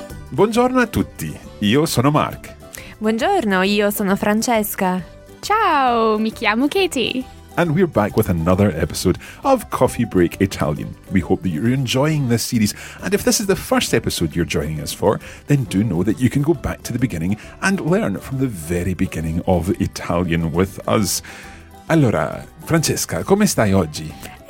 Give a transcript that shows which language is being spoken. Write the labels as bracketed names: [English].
[Italian] Buongiorno a tutti, io sono Mark. Buongiorno, io sono Francesca. Ciao, mi chiamo Katie. [English] And we're back with another episode of Coffee Break Italian. We hope that you're enjoying this series. And if this is the first episode you're joining us for, then do know that you can go back to the beginning and learn from the very beginning of Italian with us. [Italian] Allora, Francesca, come stai oggi?